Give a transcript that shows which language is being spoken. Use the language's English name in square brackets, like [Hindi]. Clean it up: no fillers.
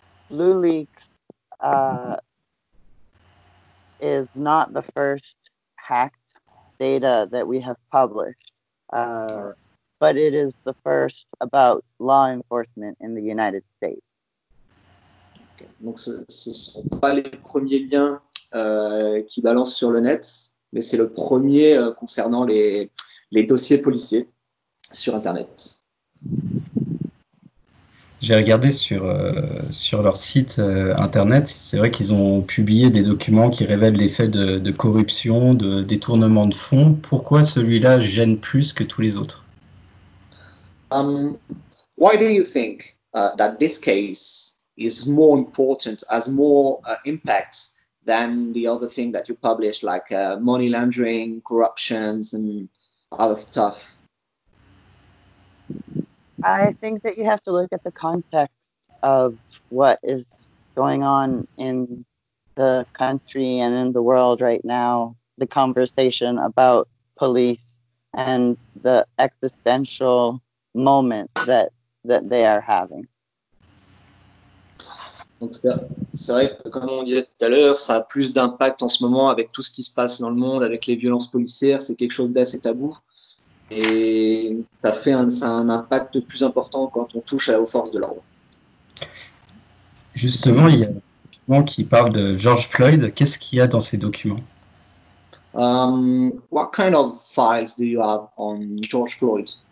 [English] Blue Leaks is not the first hacked data that we have published, but it is the first about law enforcement in the United States. [French] Donc, ce ne sont pas les premiers liens qui balancent sur le net, mais c'est le premier concernant les dossiers policiers sur Internet. J'ai regardé sur leur site internet, c'est vrai qu'ils ont publié des documents qui révèlent les faits de corruption, de détournement de fonds. Pourquoi celui-là gêne plus que tous les autres? [English] Why do you think that this case is more important, has more impact than the other thing that you published, like money laundering, corruptions, and other stuff? I think that you have to look at the context of what is going on in the country and in the world right now, the conversation about police and the existential moment that they are having. [French] Donc c'est vrai que, comme on disait tout à l'heure, ça a plus d'impact en ce moment avec tout ce qui se passe dans le monde, avec les violences policières, c'est quelque chose d'assez tabou. Et ça a un impact plus important quand on touche aux forces de l'ordre. Justement, il y a des documents qui parlent de George Floyd. Qu'est-ce qu'il y a dans ces documents? [English] What kind of files do you have on George Floyd?